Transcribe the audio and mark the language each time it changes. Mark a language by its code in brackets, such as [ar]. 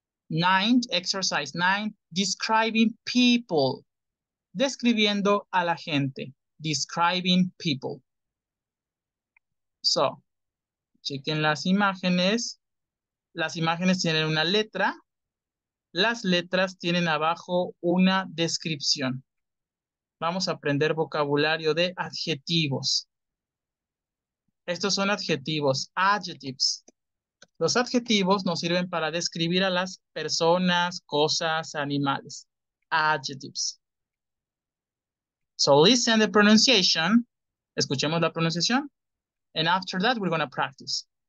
[en] 9, exercise 9, describing people. [es] Describiendo a la gente. [en] Describing people. [es] So, chequen las imágenes. Las imágenes tienen una letra. Las letras tienen abajo una descripción. Vamos a aprender vocabulario de adjetivos. Estos son adjetivos, adjectives. Los adjetivos nos sirven para describir a las personas, cosas, animales. Adjectives. [en] So listen the pronunciation. [es] Escuchemos la pronunciación. [en] And after that, we're going to practice.